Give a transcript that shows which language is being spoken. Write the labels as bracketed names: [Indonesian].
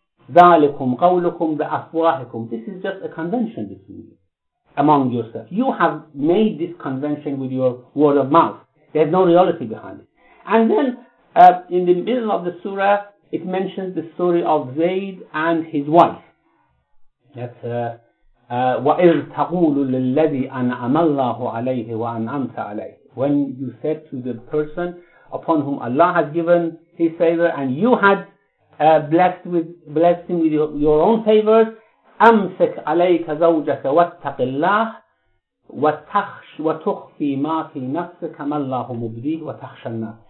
[Arabic] ذَلِكُمْ قَوْلُكُمْ بِأَفْوَاهِكُمْ. [English] This is just a convention between you, among yourself. You have made this convention with your word of mouth. There's no reality behind it. And then, in the middle of the surah, it mentions the story of Zayd and his wife. [Arabic] That, وَإِذْ تَقُولُ لِلَّذِي أَنْعَمَ اللَّهُ عَلَيْهِ وَأَنْعَمْتَ عَلَيْهِ. [English] When you said to the person upon whom Allah has given his favor and you had blessed him with your own favors, [Arabic] أمسك عليك زوجك واتق الله وتخش وتخفي ما في نفسك ما الله مبديه وتخشى الناس.